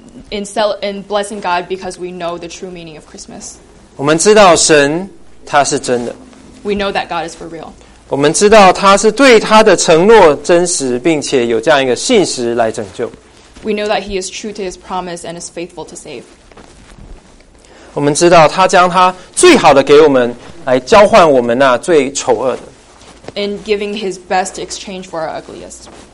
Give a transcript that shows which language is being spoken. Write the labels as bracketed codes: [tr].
[en] in blessing God because we know the true meaning of Christmas [zh] 我们知道神他是真的 [en] We know that God is for real [zh] 我们知道他是对他的承诺真实并且有这样一个信实来拯救 [en] We know that he is true to his promise and is faithful to save [zh] 我们知道他将他最好的给我们来交换我们那最丑恶的 [en] In giving his best to exchange for our ugliest